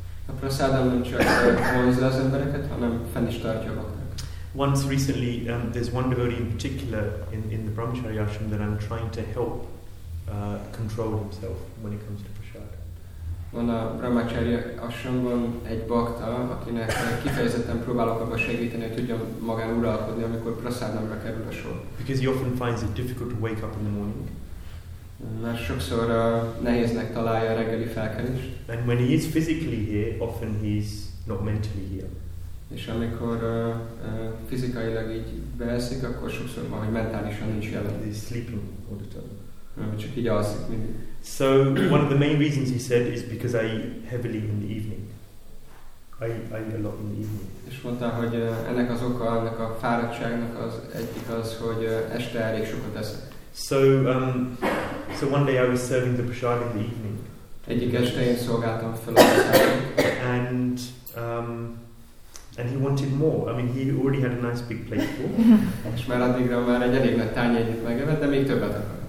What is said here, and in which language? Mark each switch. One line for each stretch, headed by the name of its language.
Hungarian: A prasadam nem csak vonzza az embereket, hanem fenn is tartja a baktákat.
English: Once recently, there's one devotee in particular in the Brahmacharya Ashram that I'm trying to help control himself when it comes to prasad.
Hungarian: Van a Brahmacharya Ashramban egy bakta, akinek kifejezetten próbálok abba segíteni, hogy tudjam magán uralkodni, amikor prasadamra kerül a sor.
English: Because he often finds it difficult to wake up in the morning.
Hungarian: Mert sokszor nehéznek találja a reggeli felkelést.
English: And when he is physically here, often he's not mentally here.
Hungarian: És amikor fizikailag így beeszik, akkor sokszor van, hogy mentálisan nincs jelen.
English: He's sleeping all the time.
Hungarian: Csak így alszik mindig.
English: So one of the main reasons he said is because I eat heavily in the evening. I eat a lot in the evening.
Hungarian: És mondta, hogy ennek az oka, ennek a fáradtságnak az egyik az, hogy este elég sokat eszek.
English: So one day I was serving the prasad in the evening.
Hungarian: Egyik este én szolgáltam fel a prasadot.
English: And he wanted more. I mean, he already had a nice big plate full.
Hungarian: És már addigra már egy elég nagy tányérjét megevett, de még többet akart.